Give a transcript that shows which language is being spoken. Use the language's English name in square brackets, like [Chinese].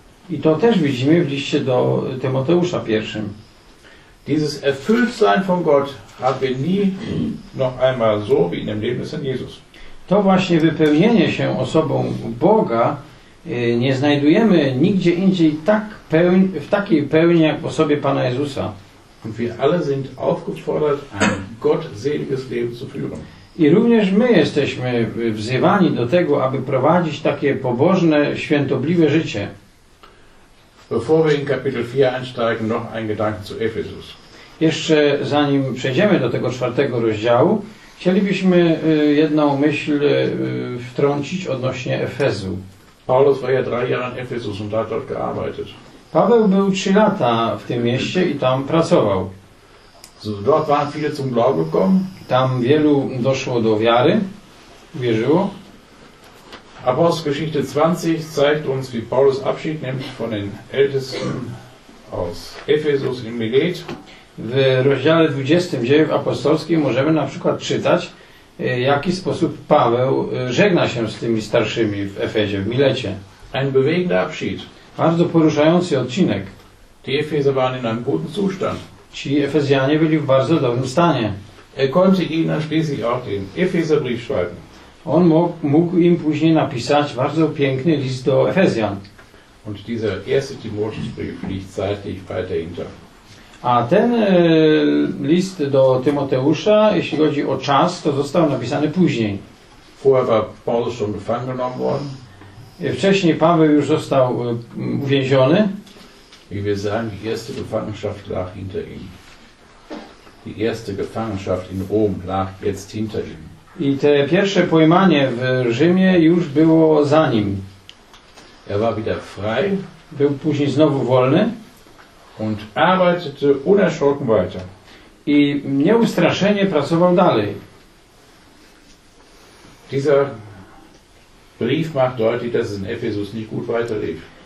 [Polish] I to też widzimy w liście do Tymoteusza pierwszym. [German] Dieses Erfülltsein von Gott haben wir nie noch einmal so wie in dem Leben des Herrn Jesus. [Polish] To właśnie wypełnienie się osobą Boga nie znajdujemy nigdzie indziej tak w takiej pełni jak w osobie Pana Jezusa. [German] Und wir alle sind aufgefordert, ein gottseliges Leben zu führen. [Polish] I również my jesteśmy wzywani do tego, aby prowadzić takie pobożne, świętobliwe życie. [German] Bevor wir in Kapitel 4 einsteigen, noch ein Gedanke zu Ephesus. [Polish] Jeszcze zanim przejdziemy do tego czwartego rozdziału, chcielibyśmy jedną myśl wtrącić odnośnie Efezu. [German] Paulus war ja 3 Jahre in Ephesus und hat dort gearbeitet. [Polish] Paweł był 3 lata w tym mieście i tam pracował. [German] So, dort waren viele zum Glauben gekommen. [Polish] Tam wielu doszło do wiary, wierzyło. [German] Apostelgeschichte 20 zeigt uns, wie Paulus Abschied nimmt von den Ältesten aus Ephesus in Milet. [Polish] W rozdziale 20 Dziejów Apostolskich możemy na przykład czytać, w jaki sposób Paweł żegna się z tymi starszymi w Efezie, w Milecie. [German] Ein bewegender Abschied. [Polish] Bardzo poruszający odcinek. [German] Die Epheser waren in einem guten Zustand. [Polish] Ci Efezjanie byli w bardzo dobrym stanie. [German] Er konnte ihnen schließlich auch den Epheserbrief schreiben. [Polish] On mógł im później napisać bardzo piękny list do Efezjan. [German] Und dieser erste Timotheusbrief liegt zeitlich weiter hinter. [Polish] A ten list do Tymoteusza, jeśli chodzi o czas, to został napisany później. [German] Vorher war Paulus schon gefangen genommen worden. [Polish] Wcześniej Paweł już został uwięziony. [German] Wie wir sagen, die erste Gefangenschaft lag hinter ihm. Die erste Gefangenschaft in Rom lag jetzt hinter ihm. [Polish] I te pierwsze pojmanie w Rzymie już było za nim. [German] Er war wieder frei. [Polish] Był później znowu wolny. [German] Und arbeitete unerschrocken weiter. [Polish] I nieustraszenie pracował dalej. [German] Dieser Brief macht deutlich, dass es in Ephesus nicht gut weiterlief.